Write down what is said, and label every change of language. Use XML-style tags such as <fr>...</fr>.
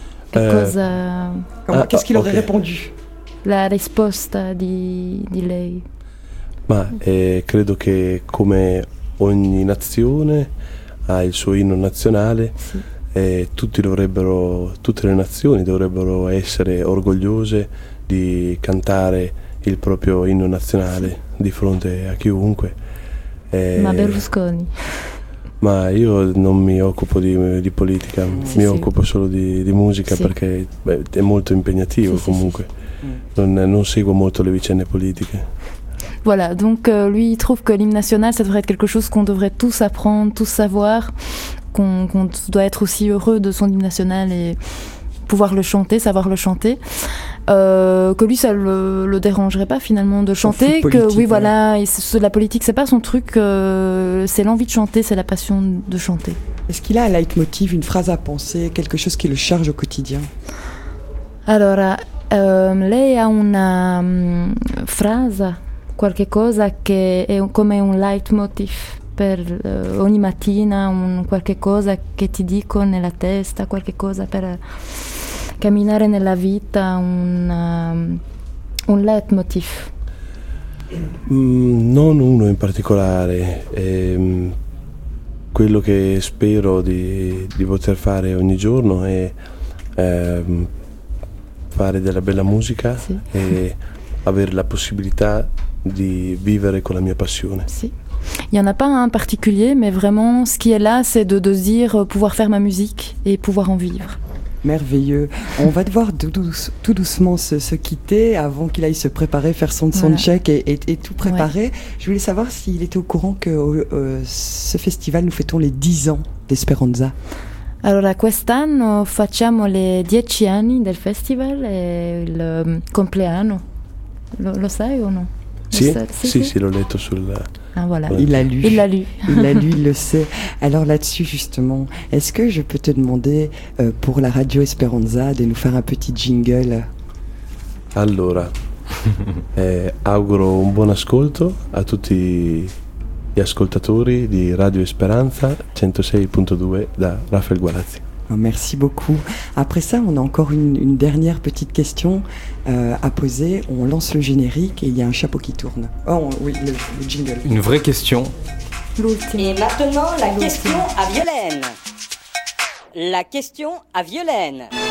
<fr>qu'est-ce qu'il aurait répondu?</fr> <it>La risposta di lei. Ma credo che come ogni nazione ha il suo inno nazionale, sì. E tutte le nazioni dovrebbero essere orgogliose di cantare il proprio inno nazionale, sì. Di fronte a chiunque. Ma Berlusconi. Ma io non mi occupo di politica, occupo solo di musica, sì. Perché è molto impegnativo, sì, comunque. Sì. Non seguo molto le vicende politiche.</it> <fr>Voilà, donc lui il trouve que l'hymne national ça devrait être quelque chose qu'on devrait tous apprendre, tous savoir, qu'on doit être aussi heureux de son hymne national et pouvoir le chanter, savoir le chanter. Que lui ça le dérangerait pas finalement de chanter, que oui voilà, la politique c'est pas son truc, c'est l'envie de chanter, c'est la passion de chanter. Est-ce qu'il a un leitmotiv, une phrase à penser, quelque chose qui le charge au quotidien? Alors,</fr> <it>lei ha una frase, qualche cosa che è come un leitmotiv per ogni mattina, qualche cosa che ti dico nella testa, qualche cosa per camminare nella vita, un leitmotiv? Non uno in particolare, quello che spero di poter fare ogni giorno è fare della bella musica, sì. E avere la possibilità</it> <fr>de vivre avec</fr> <it>la mia passion. Si.</it> <fr>Il n'y en a pas un particulier, mais vraiment ce qui est là, c'est de dire pouvoir faire ma musique et pouvoir en vivre. Merveilleux. On va devoir tout doucement se quitter avant qu'il aille se préparer, faire son soundcheck, voilà. et tout préparer. Ouais. Je voulais savoir s'il était au courant que ce festival, nous fêtons les 10 ans d'Esperanza.</fr> <it>Allora, quest'anno facciamo le 10 anni del festival e il compleanno. Lo sai o no? Sì, l'ho letto sul...</it> <fr>Ah, voilà. Il l'a lu, il le sait. Alors là-dessus, justement, est-ce que je peux te demander pour la radio Esperanza de nous faire un petit jingle?</fr> <it>Allora, auguro un buon ascolto a tutti gli ascoltatori di Radio Esperanza 106.2 da Raphaël Gualazzi.</it> <fr>Merci beaucoup. Après ça, on a encore une dernière petite question à poser. On lance le générique et il y a un chapeau qui tourne. Le jingle. Une vraie question. L'outil. Et maintenant, la question à Violaine. La question à Violaine.</fr>